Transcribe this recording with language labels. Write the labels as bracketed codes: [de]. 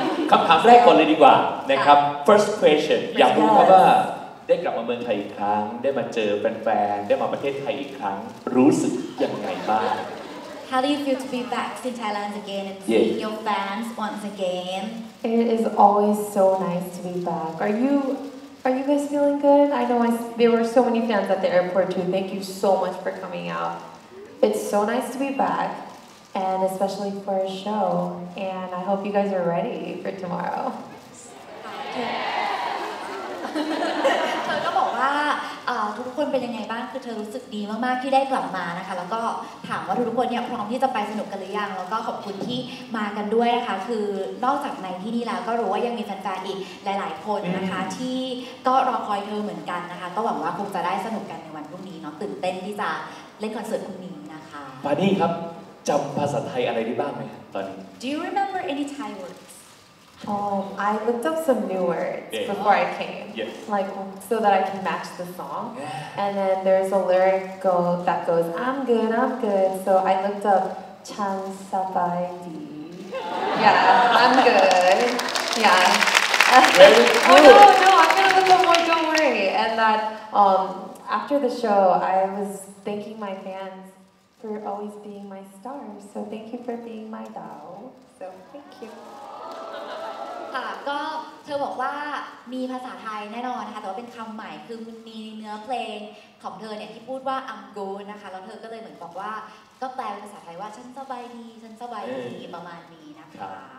[th] คำถามแรกก่อนเลยดีกว่านะครับ [en] First question. [th] อยากรู้ครับว่าได้กลับมาเมืองไทยอีกครั้งได้มาเจอแฟนๆได้มาประเทศไทยอีกครั้งรู้สึกยังไงบ้าง [en] How do you feel to be back in Thailand again and seeing your fans once again? It is always so nice to be back. Are you guys feeling good? I know there were so many fans at the airport too. Thank you so much for coming out. It's so nice to be back, and especially for a show. And I hope you guys are ready for tomorrow. [th] เธอก็บอกว่าทุกคนเป็นยังไงบ้างคือเธอรู้สึกดีมากๆที่ได้กลับมานะคะแล้วก็ถามว่าทุกคนเนี่ยพร้อมที่จะไปสนุกกันหรือยังแล้วก็ขอบคุณที่มากันด้วยนะคะคือนอกจากในที่นี่แล้วก็รู้ว่ายังมีแฟนๆอีกหลายๆคนนะคะที่ก็รอคอยเธอเหมือนกันนะคะก็หวังว่าคงจะได้สนุกกันในวันพรุ่งนี้เนาะตื่นเต้นที่จะเล่นคอนเสิร์ตพรุ่งนี้นะคะ ปานี่ครับจำภาษาไทยอะไรได้บ้างไหมตอนนี้ [en] Do you remember any Thai words I looked up some new words before I came, like so that I can match the song. And then there's a lyric that goes, "I'm good, I'm good." So I looked up [th] Chan Sapai D. [en] Yeah, I'm good. Yeah. Oh no, I'm gonna look up more. Don't worry. And that after the show, I was thanking my fans for always being my stars. So thank you for being my Dao. So thank you. [th] ก็เธอบอกว่ามีภาษาไทยแน่นอนนะคะแต่ว่าเป็นคำใหม่คือมีเนื้อเพลงของเธอเนี่ยที่พูดว่า [en] I'm good [th] นะคะแล้วเธอก็เลยเหมือนบอกว่าก็แปลเป็นภาษาไทยว่าฉันสบายดีฉันสบายดีประมาณนี้นะคะ